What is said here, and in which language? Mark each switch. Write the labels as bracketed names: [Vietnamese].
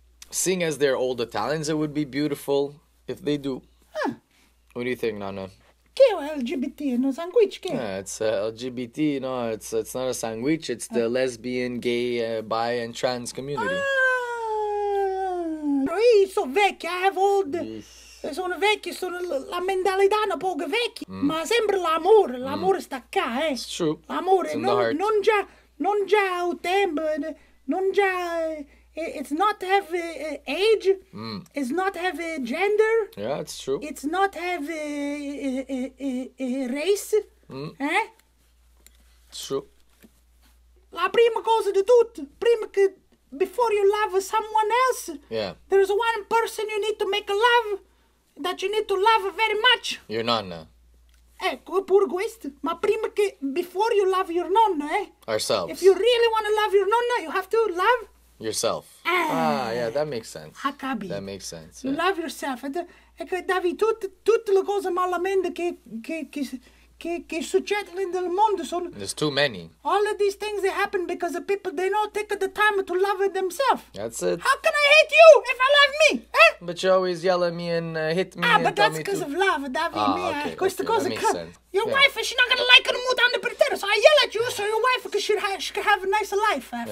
[English] Seeing as they're old Italians, it would be beautiful if they do. Huh. What do you think, Nonna? [Italian] Che è LGBT? È un sandwich? Che? [English] Yeah, it's LGBT, no, it's not a sandwich. It's the lesbian, gay, bi and trans community. Ah, [Italian] io sono vecchio, [English] I have old. Yes. [Italian] Sono vecchio, sono la mentalità un po' vecchia. Mm. Ma sempre l'amore sta qua, eh. [English] It's true. [Italian] L'amore, [English] it's [Italian] non già il tempo, non già... [English] It's not have age. Mm. It's not have gender. Yeah, it's true. It's not have race. Mm. Eh? True. [Italian] La prima cosa di tutto, [English] before you love someone else. Yeah. There is one person you need to make love, that you need to love very much. Your nonna. [Italian] Ecco, pure questo. Ma prima che, [English] before you love your nonna, eh? Ourselves. If you really want to love your nonna, you have to love. Yourself. Yeah, that makes sense. [Italian] Ha capito. [English] That makes sense. Yeah. Love yourself. [Italian] Ecco, Davi, tutte le cose malamente che succedono nel mondo sono... [English] There's too many. All of these things, they happen because the people, they don't take the time to love themselves. That's it. How can I hate you if I love me? Eh? But you always yell at me and hit me. Ah, but that's because of love, Davi. Ah, okay. That makes sense. Your wife, she's not going to like me down the portero, so I yell at you so your wife she can have a nice life after.